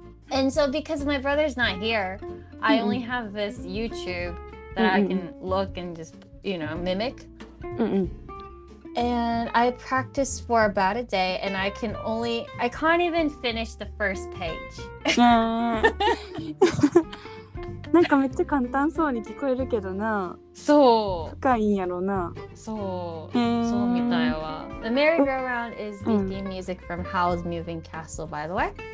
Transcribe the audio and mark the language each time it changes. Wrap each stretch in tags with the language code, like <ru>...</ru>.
<en>And so because my brother's not here, I only have this YouTube that I can look and just, you know, mimic. And I practice for about a day, and I can't even finish the first page.</en> <ja>なんかめっちゃ簡単そうに聞こえるけどな。そう。深いんやろな。そう。そうみたいわ。</ja> <en>The merry-go-round is the theme music from Howl's Moving Castle, by the way.</en>